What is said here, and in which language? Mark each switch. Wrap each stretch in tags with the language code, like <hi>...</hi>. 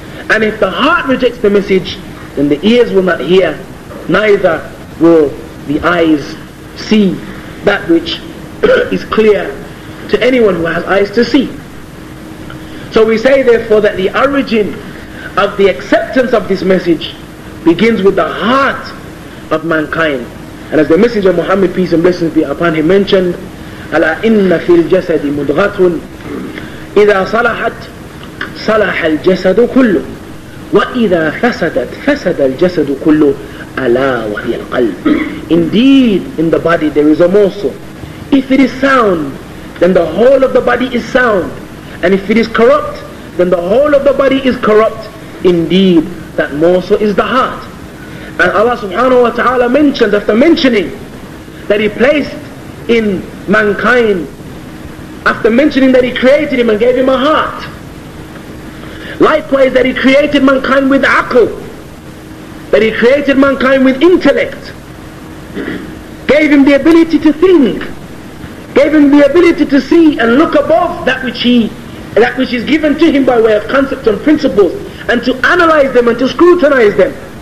<en>And if the heart rejects the message, then the ears will not hear, neither will the eyes see that which is clear to anyone who has eyes to see. So we say therefore that the origin of the acceptance of this message begins with the heart of mankind.</en> <ar>And as the Messenger Muhammad, peace and blessings be upon him, mentioned, أَلَا إِنَّ فِي الْجَسَدِ مُدْغَةٌ إِذَا صَلَحَتْ صَلَحَ الْجَسَدُ كُلُّ وَإِذَا فَسَدَتْ فَسَدَ الْجَسَدُ كُلُّ أَلَا وَهِيَ الْقَلْبُ.</ar> <en>Indeed, in the body there is a morsel. If it is sound, then the whole of the body is sound. And if it is corrupt, then the whole of the body is corrupt. Indeed, that morsel is the heart. And Allah subhanahu wa ta'ala mentioned, after mentioning that He placed in mankind, after mentioning that He created him and gave him a heart, likewise that He created mankind with aql, that He created mankind with intellect, gave him the ability to think, gave him the ability to see and look above that which is given to him by way of concepts and principles, and to analyze them and to scrutinize them.</en>